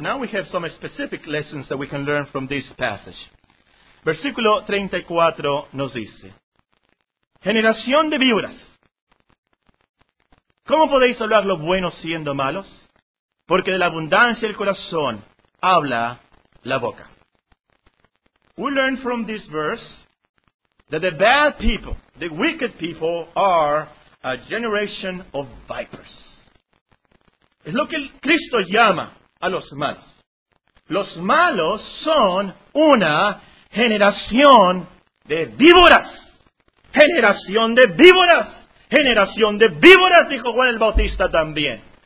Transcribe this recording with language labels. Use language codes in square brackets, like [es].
[en] Now we have some specific lessons that we can learn from this passage. [es] Versículo 34 nos dice, generación de víboras, ¿cómo podéis hablar lo bueno siendo malos? Porque de la abundancia del corazón habla la boca. [en] We learn from this verse that the bad people, the wicked people, are a generation of vipers. [es] Es lo que Cristo llama a los malos. Los malos son una generación de víboras. Generación de víboras. Generación de víboras, dijo Juan el Bautista también.